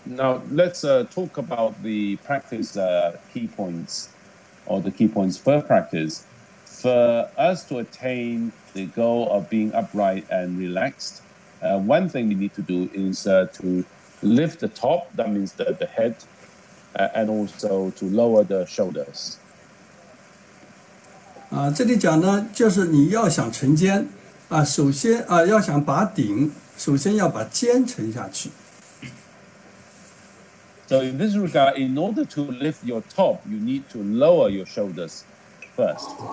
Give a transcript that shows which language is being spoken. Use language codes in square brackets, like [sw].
[en] now let's talk about the practice key points, or the key points for practice. For us to attain the goal of being upright and relaxed, one thing we need to do is to lift the top, that means the head, and also to lower the shoulders. [zh] 这里讲呢，就是你要想沉肩，要想拔顶，首先要把肩沉下去。 [en] So in this regard, in order to lift your top, you need to lower your shoulders first.